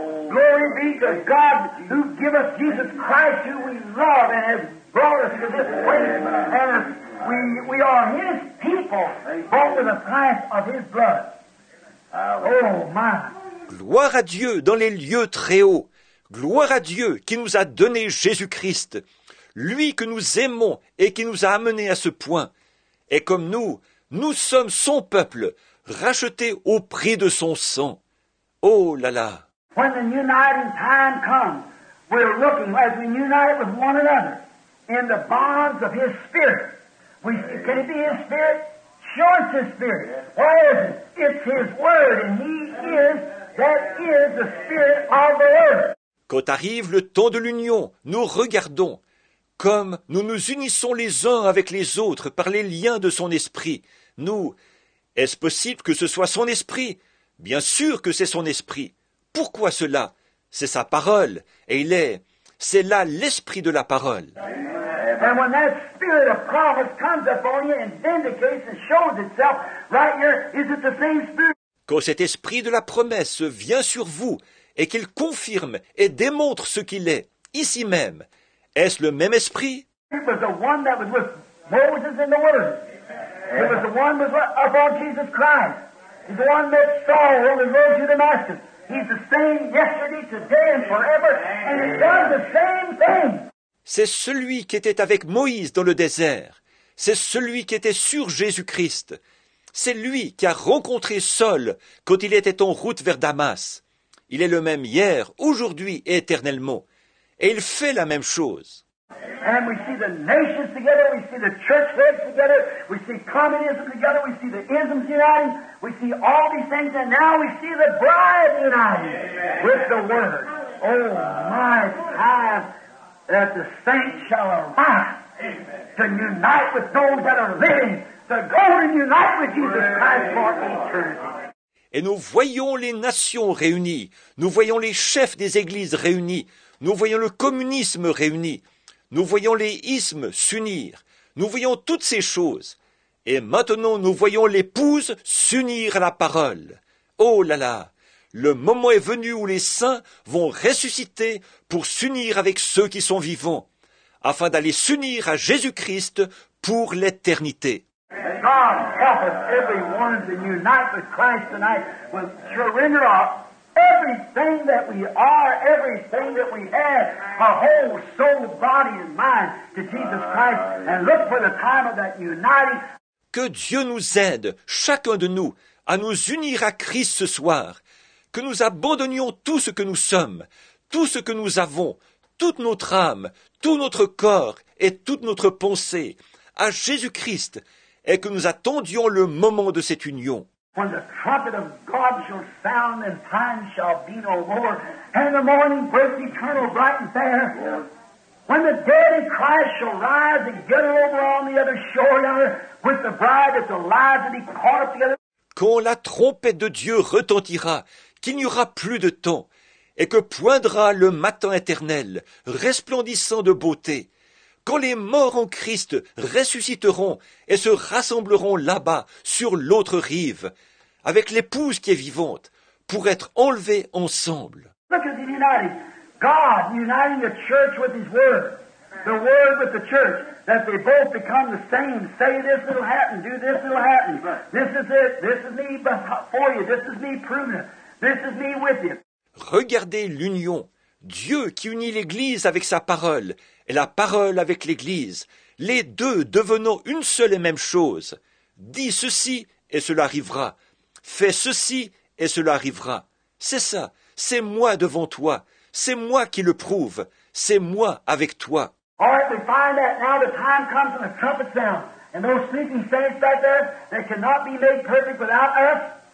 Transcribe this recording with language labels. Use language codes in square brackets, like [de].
[en] Glory be to God who give us Jesus Christ who we love and has brought us to this place. And we are His people, bought with the price of His blood. Oh my! [fr] Gloire à Dieu dans les lieux très hauts. Gloire à Dieu qui nous a donné Jésus-Christ. Lui que nous aimons et qui nous a amenés à ce point. Et comme nous, nous sommes son peuple, rachetés au prix de son sang. Oh là là! [en] When the uniting time comes, we're looking as we unite with one another in the bonds of His Spirit. We see, can it be His Spirit? Sure, it's His Spirit. What is it? It's His Word, and He is, that is the Spirit of the Word. [fr] Quand arrive le temps de l'union, nous regardons comme nous nous unissons les uns avec les autres par les liens de son esprit. Nous, est-ce possible que ce soit son esprit? Bien sûr que c'est son esprit. Pourquoi cela? C'est sa parole, et il est, c'est là l'esprit de la parole. [en] And when that spirit of prophecy comes upon you and vindicates and shows itself right here, is it the same spirit? [fr] Quand cet esprit de la promesse vient sur vous et qu'il confirme et démontre ce qu'il est, ici même, est-ce le même esprit? [en] It was the one that was with Moses in the wilderness. It was the one that was upon Jesus Christ. It's the one that saw on the road to Damascus. He's the same yesterday, today and forever, and it does the same thing. [fr] C'est celui qui était avec Moïse dans le désert. C'est celui qui était sur Jésus-Christ. C'est lui qui a rencontré Saul quand il était en route vers Damas. Il est le même hier, aujourd'hui et éternellement. Et il fait la même chose. [en] And we see the nations together, we see the church heads together, we see communism together, we see the isms united, we see all these things, and now we see the bride united with the Word. Oh my God! That the saints shall arise to unite with those that are living, to go and unite with Jesus Christ for eternity. [fr] et nous voyons les nations réunies, nous voyons les chefs des églises réunis, nous voyons le communisme réuni, nous voyons les ismes s'unir, nous voyons toutes ces choses, et maintenant nous voyons l'épouse s'unir à la parole. Oh là là, le moment est venu où les saints vont ressusciter pour s'unir avec ceux qui sont vivants, afin d'aller s'unir à Jésus-Christ pour l'éternité. [en] God help us, everyone, to unite with Christ tonight. We'll surrender up everything that we are, everything that we have, our whole soul, body, and mind to Jesus Christ, and look for the time of that uniting. [fr] Que Dieu nous aide, chacun de nous, à nous unir à Christ ce soir. Que nous abandonnions tout ce que nous sommes, tout ce que nous avons, toute notre âme, tout notre corps et toute notre pensée à Jésus-Christ et que nous attendions le moment de cette union. [en] When the trumpet of God shall sound and time shall be no more, and the morning breaks eternal bright and fair, when the dead in Christ shall rise and get over on the other shore yonder with the bride that's alive to be caught up together. [fr] Quand la trompette de Dieu retentira, qu'il n'y aura plus de temps, et que poindra le matin éternel, resplendissant de beauté, quand les morts en Christ ressusciteront et se rassembleront là-bas, sur l'autre rive, avec l'épouse qui est vivante, pour être enlevés ensemble. [en] Look at the united. God uniting the church with his word. The word with the church. That they both become the same. Say this will happen. Do this will happen. This is it. This is me before you. This is me proving it. This is me with you. [fr] Regardez l'union, Dieu qui unit l'Église avec sa parole, et la parole avec l'Église, les deux devenant une seule et même chose. Dis ceci et cela arrivera. Fais ceci et cela arrivera. C'est ça, c'est moi devant toi, c'est moi qui le prouve, c'est moi avec toi. [en] All right, we find that now the time comes and the trumpet sounds, and those sleeping saints back there, they cannot be made perfect without us.